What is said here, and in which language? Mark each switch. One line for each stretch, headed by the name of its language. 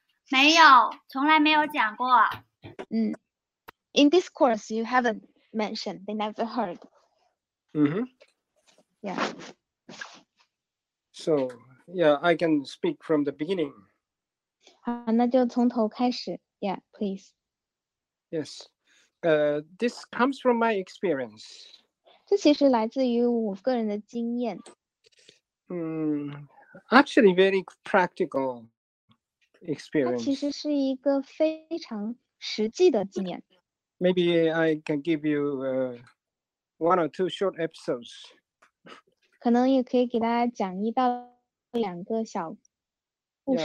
Chinese: 没有,从来没有讲过。In
English: this course, you haven't mentioned, they never heard. Mm-hmm. Yeah. So, yeah, I can speak from the beginning.
Chinese: 好,那就从头开始,
English: yeah, please. Yes, this comes from my experience.
Chinese: 这其实来自于我个人的经验。
English: Actually, very practical experience.
Chinese: 它其实是一个非常实际的经验。
English: Maybe I can give you one or two short episodes.
Chinese: 可能也可以给大家讲一到两个小故事。